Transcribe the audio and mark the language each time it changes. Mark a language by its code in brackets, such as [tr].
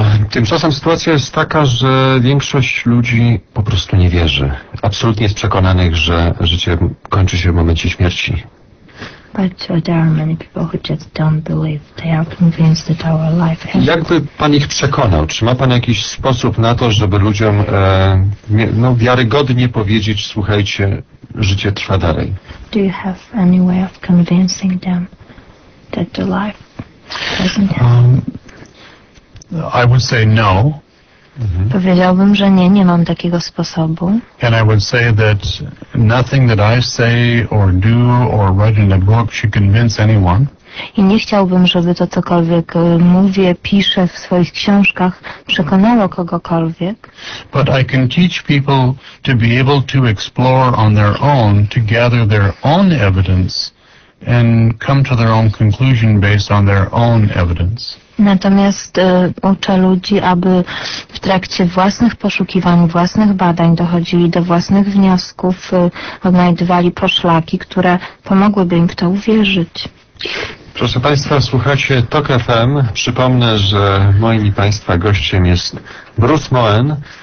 [pl] Tymczasem sytuacja jest taka, że większość ludzi po prostu nie wierzy. Absolutnie jest przekonanych, że życie kończy się w momencie śmierci. [en] But there are many people who just don't believe. They are convinced that our life ends. [pl] Jakby pan ich przekonał? Czy ma pan jakiś sposób na to, żeby ludziom wiarygodnie powiedzieć, słuchajcie, życie trwa dalej? [en] Do you have any way of convincing them that the life doesn't end? I would say no. Mm-hmm. [pl] Powiedziałbym, że nie mam takiego sposobu. [en] And I would say that nothing that I say or do or write in a book should convince anyone. [pl] I nie chciałbym, żeby to, cokolwiek mówię, piszę w swoich książkach, przekonało kogokolwiek. [en] But I can teach people to be able to explore on their own, to gather their own evidence and come to their own conclusion based on their own evidence. [pl] Natomiast uczę ludzi, aby w trakcie własnych poszukiwań, własnych badań dochodzili do własnych wniosków, odnajdywali poszlaki, które pomogłyby im w to uwierzyć. Proszę Państwa, słuchacie TOK FM. Przypomnę, że moim i Państwa gościem jest Bruce Moen.